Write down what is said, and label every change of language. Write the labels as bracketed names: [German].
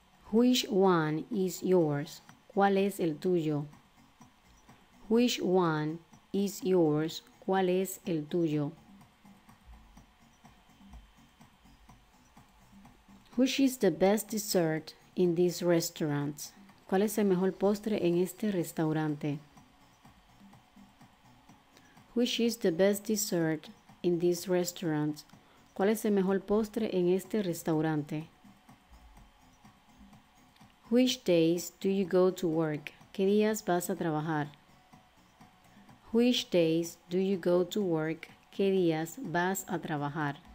[English] Which one is yours? [Spanish] ¿Cuál es el tuyo? [English] Which one is yours? [Spanish] ¿Cuál es el tuyo? [English] Which is the best dessert in this restaurant? [Spanish] ¿Cuál es el mejor postre en este restaurante? [English] Which is the best dessert in this restaurant? [Spanish] ¿Cuál es el mejor postre en este restaurante? [English] Which days do you go to work? [Spanish] ¿Qué días vas a trabajar? [English] Which days do you go to work? [Spanish] ¿Qué días vas a trabajar?